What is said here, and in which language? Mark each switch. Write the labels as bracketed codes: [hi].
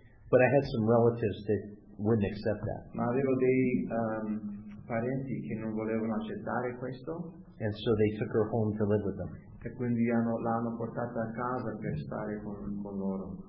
[en] But I had some relatives that wouldn't accept that. [it] Ma avevo dei parenti che non volevano accettare questo. [en] And so they took her home to live with them. [it] E quindi l'hanno portata a casa per stare con loro.